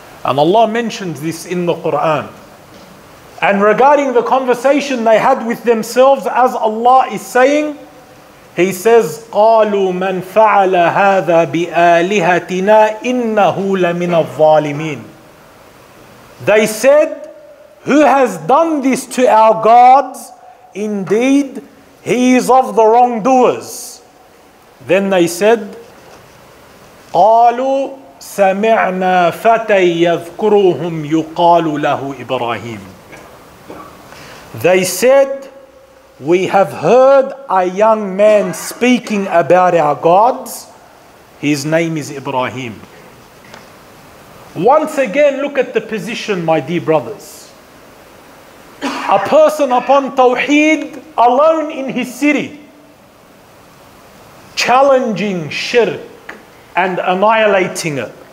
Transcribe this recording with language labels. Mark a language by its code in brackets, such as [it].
[en] And Allah mentions this in the Quran. And regarding the conversation they had with themselves, as Allah is saying, He says, [ar] قَالُوا مَنْ فَعَلَ هَذَا بِآلِهَتِنَا إِنَّهُ لَمِنَ الظَّالِمِينَ. [en] They said, who has done this to our gods? Indeed, he is of the wrongdoers. Then they said, [ar] قَالُوا سَمِعْنَا فَتَيْ يَذْكُرُهُمْ يُقَالُ لَهُ إِبْرَاهِيمُ. [en] They said, we have heard a young man speaking about our gods. His name is Ibrahim. Once again, look at the position, my dear brothers. A person upon Tawheed, alone in his city, challenging shirk and annihilating it.